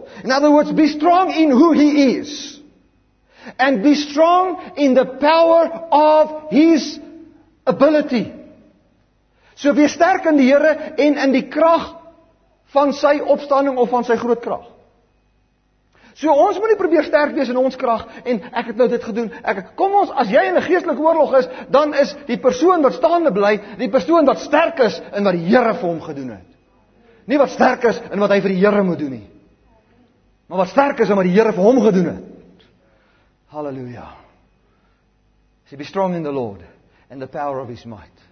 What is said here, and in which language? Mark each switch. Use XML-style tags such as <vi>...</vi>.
<en>In other words, be strong in who He is. And be strong in the power of His ability.</en> <af>So wees sterk in die Here en in die krag van sy opstanding of van sy groot krag. So ons moet nie probeer sterk wees in ons krag en ek het nou dit gedoen. As jy in 'n geestelike oorlog is, dan is die persoon wat staande bly, die persoon wat sterk is in wat die Here vir hom gedoen het. Nie wat sterk is in wat hy vir die Here moet doen nie. Maar wat sterk is in wat die Here vir hom gedoen het. Halleluja.</af> <en>So be strong in the Lord and the power of His might.</en>